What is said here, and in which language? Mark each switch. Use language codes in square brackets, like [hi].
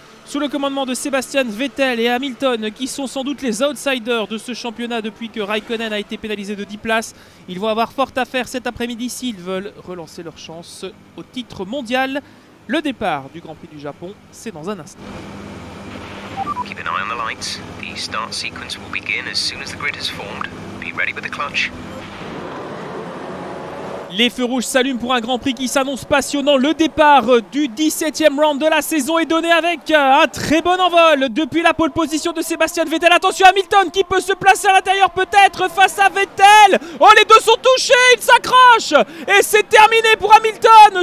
[fr] Sous le commandement de Sébastien Vettel et Hamilton, qui sont sans doute les outsiders de ce championnat depuis que Raikkonen a été pénalisé de 10 places, ils vont avoir fort à faire cet après-midi s'ils veulent relancer leur chance au titre mondial. Le départ du Grand Prix du Japon, c'est dans un instant. [en] Keep an eye on the lights. The start sequence will begin as soon as the grid has formed. Be ready with the clutch. [fr] Les feux rouges s'allument pour un Grand Prix qui s'annonce passionnant. Le départ du 17e round de la saison est donné avec un très bon envol depuis la pole position de Sébastien Vettel. Attention à Hamilton qui peut se placer à l'intérieur peut-être face à Vettel. Oh, les deux sont touchés, ils s'accrochent et c'est terminé pour Hamilton.